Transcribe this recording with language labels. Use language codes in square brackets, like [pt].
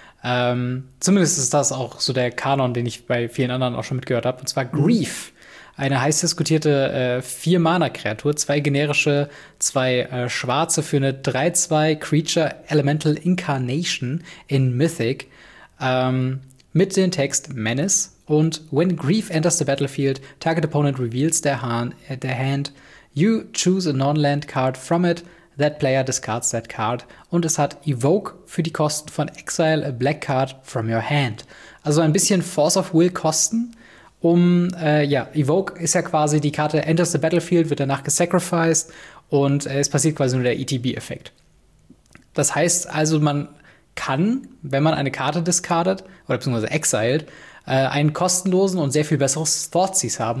[de] Zumindest ist das auch so der Kanon, den ich bei vielen anderen auch schon mitgehört habe. Und zwar Grief, eine heiß diskutierte 4-Mana-Kreatur, 2 generische, 2 schwarze für eine 3-2 Creature Elemental Incarnation in Mythic mit dem Text Menace. [en] Und when Grief enters the battlefield, target opponent reveals their hand, you choose a non-land card from it. That player discards that card. [de] Und es hat Evoke für die Kosten von [en] Exile a black card from your hand. [de] Also ein bisschen Force of Will Kosten. Evoke ist ja quasi die Karte, enters the battlefield, wird danach gesacrificed und es passiert quasi nur der ETB-Effekt. Das heißt also, man kann, wenn man eine Karte discardet oder beziehungsweise exiled, einen kostenlosen und sehr viel besseres Thoughtseize haben.